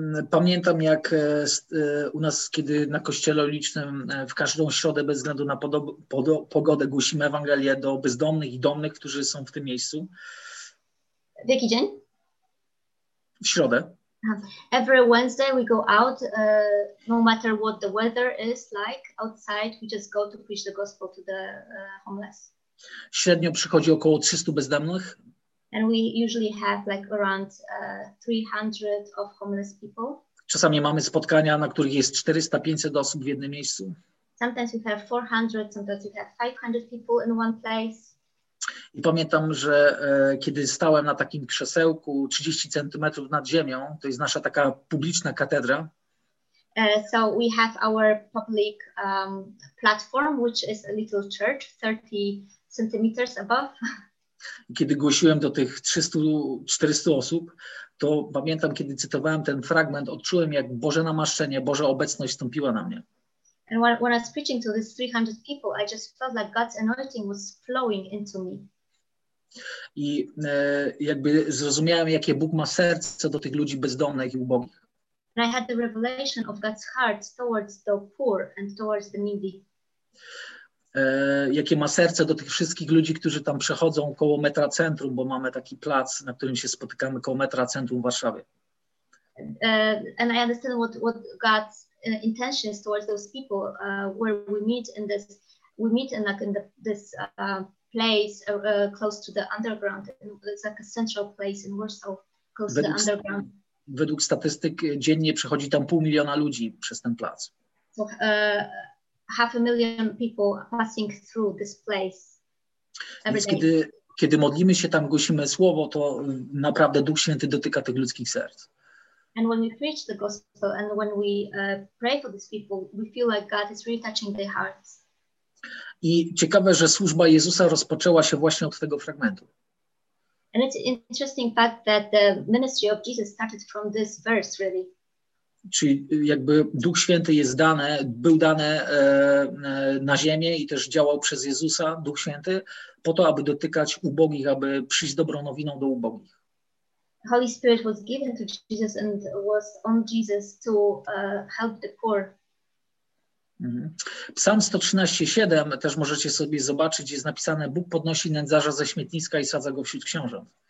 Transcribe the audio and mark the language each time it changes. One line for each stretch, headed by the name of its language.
Polish: Pamiętam, jak u nas, kiedy na kościele ulicznym w każdą środę bez względu na pogodę głosimy Ewangelię do bezdomnych i domnych, którzy są w tym miejscu. W jaki dzień? W środę.
English: Every Wednesday we go out, no matter what the weather is like outside, we just go to preach the gospel to the homeless.
Polish: Średnio przychodzi około 300 bezdomnych.
English: And we usually have like around 300 of homeless people.
Polish: Czasami mamy spotkania, na których jest 400-500 osób w jednym miejscu.
English: Sometimes we have 400, sometimes we have 500 people in one place.
Polish: I pamiętam, że kiedy stałem na takim krzesełku 30 centymetrów nad ziemią, to jest nasza taka publiczna katedra.
English: So we have our public platform, which is a little church, 30 centimeters above.
Polish: Kiedy głosiłem do tych 300-400 osób, to pamiętam, kiedy cytowałem ten fragment, odczułem, jak Boże namaszczenie, Boża obecność wstąpiła na mnie.
English: And when I was preaching to these 300 people, I just felt like God's anointing was flowing into me.
Polish: I jakby zrozumiałem, jakie Bóg ma serce do tych ludzi bezdomnych i ubogich.
English: And I had the revelation of God's heart towards the poor and towards the needy.
Polish: Jakie ma serce do tych wszystkich ludzi, którzy tam przechodzą koło metra centrum, bo mamy taki plac, na którym się spotykamy koło metra centrum w Warszawie.
English: And I understand what God's intention is towards those people where we meet in this place close to the underground. It's like a central place in Warsaw, close to the underground.
Polish: Według statystyk dziennie przechodzi tam 500,000 ludzi przez ten plac.
English: So, half a million people passing through this place every day.
Polish: Kiedy modlimy się tam, głosimy słowo, to naprawdę Duch Święty dotyka tych ludzkich serc.
English: And when we preach the gospel and when we pray for these people, we feel like God is really touching their hearts.
Polish: I ciekawe, że służba Jezusa rozpoczęła się właśnie od tego fragmentu.
English: And it's an interesting fact that the ministry of Jesus started from this verse, really.
Polish: Czyli jakby Duch Święty jest dany, był dany na ziemię i też działał przez Jezusa, Duch Święty, po to, aby dotykać ubogich, aby przyjść dobrą nowiną do ubogich.
English: Holy Spirit was given to Jesus and was on Jesus to help the poor.
Polish: Psalm 113:7, też możecie sobie zobaczyć, jest napisane: Bóg podnosi nędzarza ze śmietniska i sadza go wśród książąt.